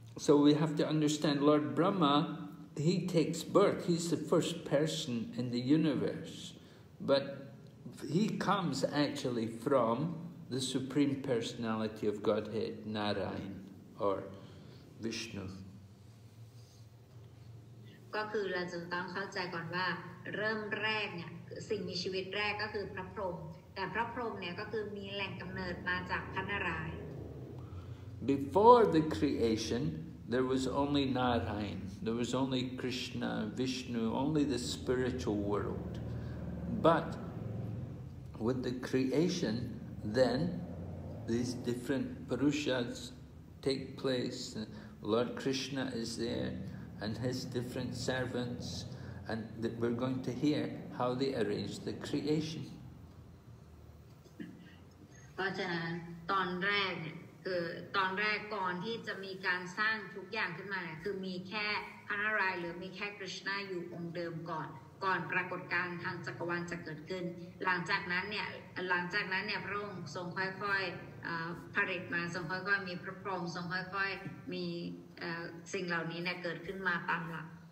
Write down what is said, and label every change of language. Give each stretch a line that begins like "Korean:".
English: So we have to understand Lord Brahma he takes birth he's the first person in the universe but he comes actually from the Supreme Personality of Godhead, Narayan, or Vishnu.
Thai: ก็คือ เราจะต้องเข้าใจก่อนว่าเริ่มแรกเนี่ยสิ่งมีชีวิตแรกก็คือพระพรหมแต่พระพรหมเนี่ยก็คือมีแหล่งกำเนิดมาจากพระนารายณ์
English: Before the creation there was only Narayan there was only Krishna Vishnu only the spiritual world but with the creation then these different Purushas take place Lord Krishna is there and his different servants and that we're going to hearhow they arranged the creation.
Thai: เพราะฉะนั้นตอนแรกเนี่ยคือตอนแรกก่อนที่จะมีการสร้างทุกอย่างขึ้นมาเนี่ยคือมีแค่พระนารายณ์หรือมีแค่คริชนาอยู่องค์เดิมก่อนปรากฏการทางจักรวาลจะเกิดขึ้นหลังจากนั้นเนี่ยพระองค์ทรงค่อยๆผลิตมาทรงค่อยๆมีพระพรหมทรงค่อยๆมีสิ่งเหล่านี้เนี่ยเกิดขึ้นมาตามหลัก